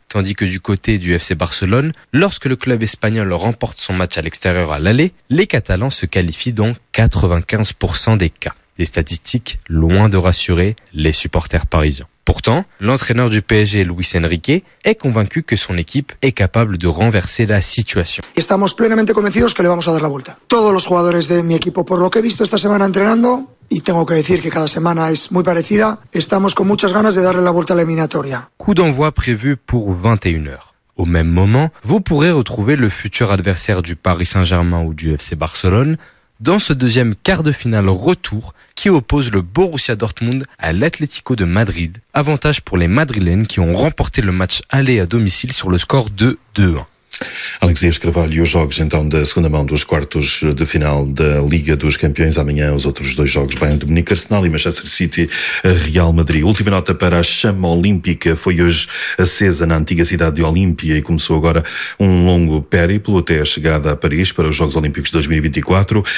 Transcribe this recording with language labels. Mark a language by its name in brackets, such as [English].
[French] Tandis que du côté du FC Barcelone, lorsque le club espagnol remporte son match à l'extérieur à l'aller, les Catalans se qualifient dans 95% des cas. Des statistiques loin de rassurer les supporters parisiens. Pourtant, l'entraîneur du PSG, Luis Enrique, est convaincu que son équipe est capable de renverser la situation. [Spanish] Estamos plenamente convencidos que le vamos a dar la vuelta. Todos los jugadores de mi equipo, por lo que he visto esta semana entrenando, y tengo que decir que cada semana es muy parecida, estamos con muchas ganas de darle la vuelta a la eliminatoria. [French] Coup d'envoi prévu pour 21h. Au même moment, vous pourrez retrouver le futur adversaire du Paris Saint-Germain ou du FC Barcelone dans ce deuxième quart de finale retour qui oppose le Borussia Dortmund à l'Atlético de Madrid. Avantage pour les Madrilènes qui ont remporté le match aller à domicile sur le score de 2-1. [Portuguese] Alex Dias Carvalho, os jogos então da segunda mão dos quartos de final da Liga dos Campeões. Amanhã os outros dois jogos, Bayern de Munique, Arsenal e Manchester City, Real Madrid. Última nota para a chama olímpica, foi hoje acesa na antiga cidade de Olímpia e começou agora um longo périplo até a chegada a Paris para os Jogos Olímpicos de 2024.